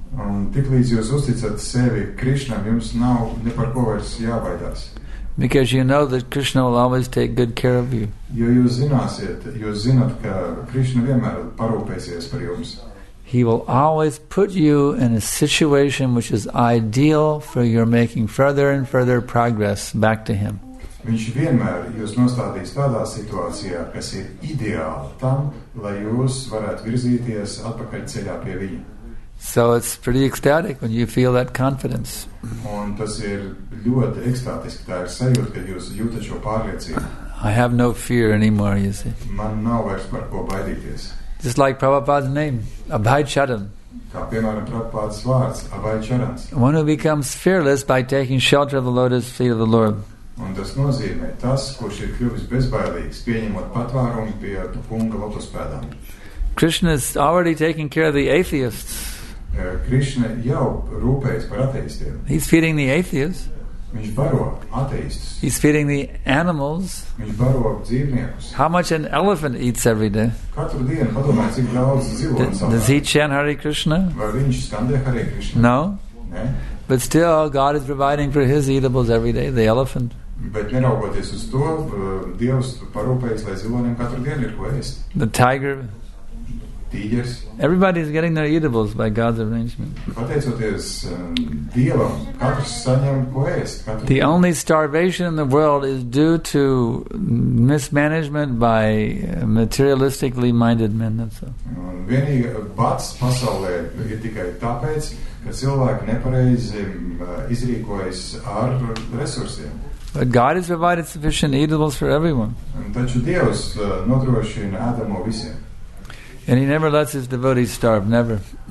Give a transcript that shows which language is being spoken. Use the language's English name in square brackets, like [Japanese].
[Latvian] Un tiklīdz jūs uzticat sevi Krišnam, jums nav ne par ko vairs jābaidās. [English] Because you know that Krishna will always take good care of you. [Latvian] Jo jūs zināsiet, jūs zināt, ka Krišna vienmēr parūpēsies par jums. [English] He will always put you in a situation which is ideal for your making further and further progress back to him. [Latvian] Viņš vienmēr jūs nostādīs tādā situācijā, kas ir ideāla tam, lai jūs varētu virzīties atpakaļ ceļā pie viņa. [English] So it's pretty ecstatic when you feel that confidence. [Latvian] Un tas ir ļoti ekstātiski, tā ir sajūta, kad jūs jūtat šo pārliecību. [English] I have no fear anymore, you see. [Latvian] Man nav vairs par ko baidīties. [English] Just like Prabhupada's name, Abhaicharan. [Latvian] Kā piemēram Prabhupada's vārds, Abhaicharans. [English] One who becomes fearless by taking shelter of the lotus feet of the Lord. [Latvian] Un tas nozīmē tas, kurš ir kļuvis bezbailīgs, pieņemot patvērumu pie kunga lotus pēdām. [English] Krishna is already taking care of the atheists. [Latvian] Krishna jau rūpējas par ateistiem. [English] He's feeding the atheists. [Latvian] Viņš baro ateistus. [English] He's feeding the animals. [Latvian] Viņš baro dzīvniekus. [English] How much an elephant eats every day? [Latvian] Katru dienu padomā, cik daudz zivo un savā. [English] Does he chant Hare Krishna? [Latvian] Vai viņš skandē Hare Krishna? [English] No. [Latvian] Ne. [English] But still, God is providing for his eatables every day, the elephant. [Latvian] Bet neraugoties uz to, Dievs parūpējas, lai zivoniem katru dienu ir ko ēst. [English] The tiger. [Latvian] Tīģers. [English] Everybody is getting their eatables by God's arrangement. [Latvian] Pateicoties Dievam, katrs saņem ko ēst. [English] The only starvation in the world is due to mismanagement by materialistically minded men. [Latvian] Vienīgi bats pasaulē ir tikai tāpēc, ka cilvēki nepareizi izrīkojas ar resursiem. [English] But God has provided sufficient eatables for everyone. [Latvian] Taču Dievs nodrošina ēdamo visiem. [English] And he never lets his devotees starve, never.